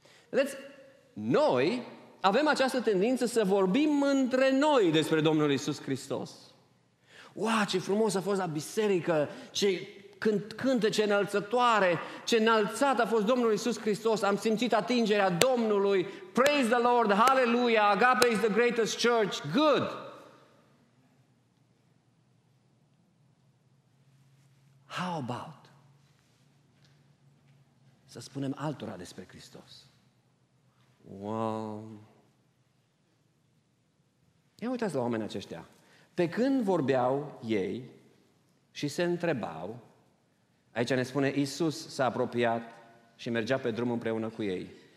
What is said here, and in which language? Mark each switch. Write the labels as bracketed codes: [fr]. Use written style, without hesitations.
[ro] Vedeți, noi avem această tendință să vorbim între noi despre Domnul Iisus Hristos. Wow, ce frumos a fost la biserică, ce cântă, ce înălțătoare, ce înălțat a fost Domnul Iisus Hristos. Am simțit atingerea Domnului. [en] Praise the Lord, hallelujah, Agape is the greatest church, good. How about [ro] să spunem altora despre Hristos? Wow. Ia uitați la oamenii aceștia. Pe când vorbeau ei și se întrebau, aici ne spune, Iisus s-a apropiat și mergea pe drum împreună cu ei.